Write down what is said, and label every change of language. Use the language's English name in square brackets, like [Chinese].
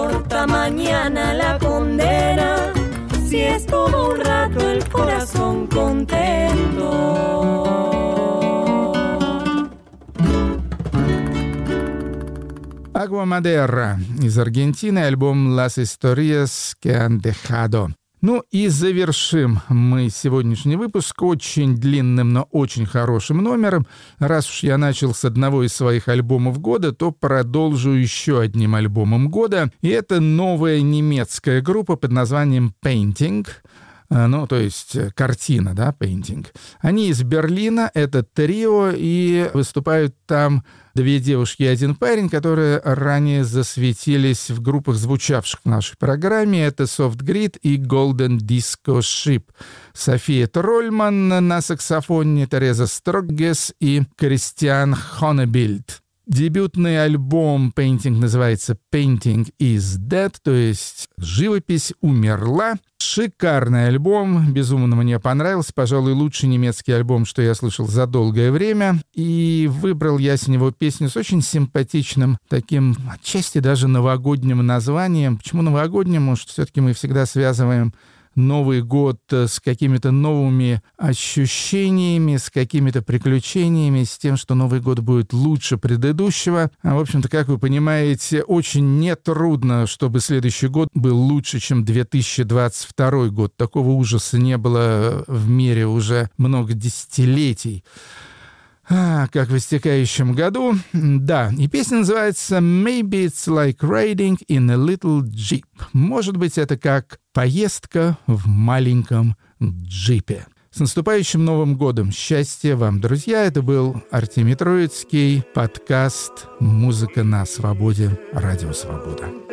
[Spanish] la mañana la condena, si estuvo un rato el corazón contento. [Russian] Agua Madera из Аргентины, альбом «Las historias que han dejado». Ну и завершим мы сегодняшний выпуск очень длинным, но очень хорошим номером. Раз уж я начал с одного из своих альбомов года, то продолжу еще одним альбомом года. И это новая немецкая группа под названием «Painting». Ну, то есть картина, да, painting. Они из Берлина, это трио, и выступают там две девушки и один парень, которые ранее засветились в группах, звучавших в нашей программе. Это Soft Grid и Golden Disco Ship. София Трольман на саксофоне, Тереза Строггес и Кристиан Хонебильд. Дебютный альбом Painting называется Painting is Dead, то есть живопись умерла. Шикарный альбом, безумно мне понравился, пожалуй, лучший немецкий альбом, что я слышал за долгое время. И выбрал я с него песню с очень симпатичным, таким отчасти даже новогодним названием. Почему новогодним? Может, все-таки мы всегда связываем Новый год с какими-то новыми ощущениями, с какими-то приключениями, с тем, что Новый год будет лучше предыдущего. А, в общем-то, как вы понимаете, очень нетрудно, чтобы следующий год был лучше, чем 2022 год. Такого ужаса не было в мире уже много десятилетий. Как в истекающем году. Да, и песня называется [English] «Maybe it's like riding in a little jeep». [Russian] Может быть, это как поездка в маленьком джипе. С наступающим Новым годом! Счастья вам, друзья! Это был Артемий Троицкий, подкаст «Музыка на свободе», «Радио Свобода».